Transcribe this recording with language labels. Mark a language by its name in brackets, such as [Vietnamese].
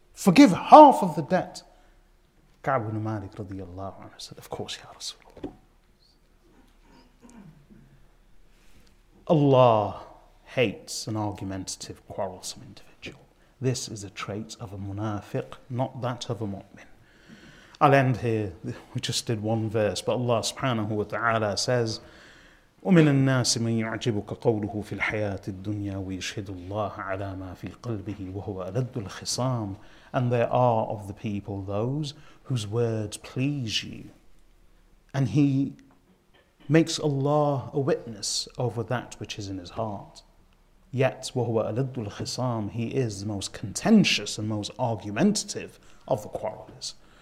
[English] Forgive half of the debt. Ka'b ibn Malik radiallahu anhu said, of course, Ya Rasulullah. Allah hates an argumentative, quarrelsome individual. This is a trait of a munafiq, not that of a mu'min. I'll end here. We just did one verse, but Allah subhanahu wa ta'ala says, [Arabic] وَمِنَ النَّاسِ مَنْ يُعْجِبُكَ قَوْلُهُ فِي الْحَيَاةِ الدُّنْيَا وَيَشْهِدُ اللَّهَ عَلَى مَا فِي قَلْبِهِ وَهُوَ أَلَدُّ الْخِصَامِ. [English] And there are of the people those whose words please you. And he makes Allah a witness over that which is in his heart. Yet, [Arabic] وَهُوَ أَلَدُّ الْخِصَامِ, [English] he is the most contentious and most argumentative of the quarrelers.